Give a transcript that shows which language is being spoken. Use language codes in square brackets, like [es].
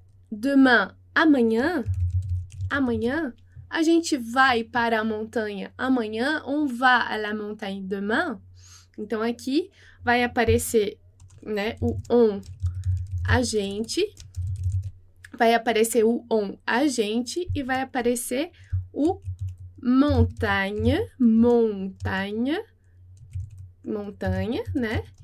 [pt] Demain, amanhã, amanhã, a gente vai para a montanha amanhã. [fr] On va à la montagne demain. [pt] Então aqui vai aparecer, né, o on, a gente, vai aparecer o on, a gente, e vai aparecer o montagne, montagne, montanha, né?